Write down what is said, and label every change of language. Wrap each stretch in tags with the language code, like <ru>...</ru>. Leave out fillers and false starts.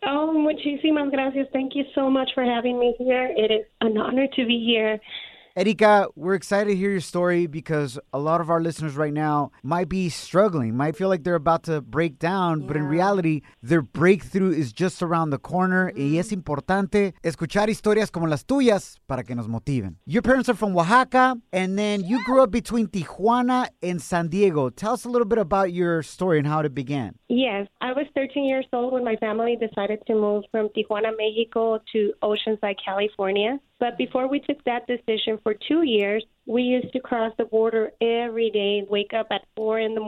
<es>Oh, muchísimas gracias.</es> <en>Thank you so much for having me here. It is an honor to be here. Erika, we're excited to hear your story because a lot of our listeners right now might be struggling, might feel like they're about to break down, yeah. But in reality, their breakthrough is just around the corner.</en> <es>Y es importante escuchar historias como las tuyas para que nos motiven.</es> <en>Your parents are from Oaxaca, and then you grew up between Tijuana and San Diego. Tell us a little bit about your story and how it began. Yes, I was 13 years old when my family decided to move from Tijuana, Mexico to Oceanside, California. But before we took that decision, for 2 years, we used to cross the border every day, wake up at 4 a.m.</en>